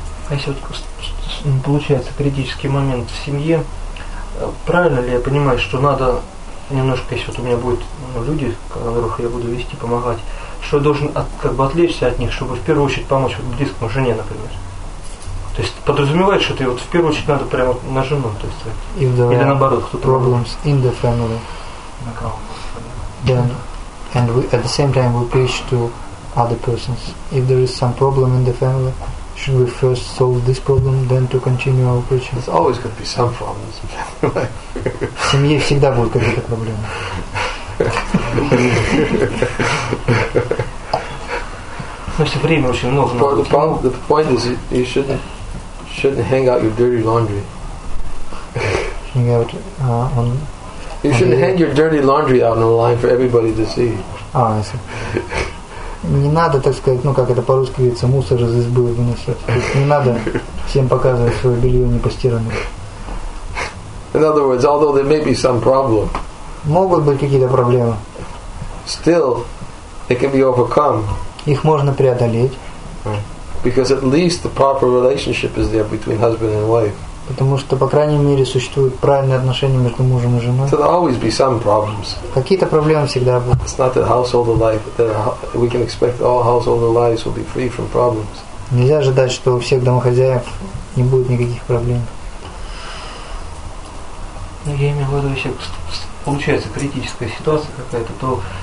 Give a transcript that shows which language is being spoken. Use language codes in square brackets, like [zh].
[ru] А если вот получается критический момент в семье, правильно ли я понимаю, что надо немножко, если вот у меня будут люди, которых я буду вести, помогать, что я должен как бы отвлечься от них, чтобы в первую очередь помочь вот близкому жене, например? То есть подразумевает, что ты вот в первую очередь надо прямо на жену, то есть или наоборот, кто-то [en] problems in the family. Then and we, at the same time we preach to other persons. If there is some problem in the family, should we first solve this problem, then to continue our preaching? There's always going to be some problems. [ru] В семье всегда будет какая-то проблема. [en] The point is, you shouldn't hang out your dirty laundry. Hang out on. You shouldn't hang your dirty laundry out on the line for everybody to see. Ah, I see. [ru] Не надо, так сказать, ну как это по-русски говорится, мусор из избы выносить. Не надо всем показывать свое белье непостиранное. [en] In other words, although there may be some problem, [ru] могут быть какие-то проблемы. [en] Still, it can be overcome. [ru] Их можно преодолеть. [en] Because at least the proper relationship is there between husband and wife. [ru] Потому что, по крайней мере, существуют правильные отношения между мужем и женой. [en] So there'll always be some problems. [ru] Какие-то проблемы всегда будут. [en] It's not that household life, that we can expect all household lives will be free from problems. [ru] Нельзя ожидать, что у всех домохозяев не будет никаких проблем. Ну, я имею в виду, если получается критическая ситуация какая-то, то...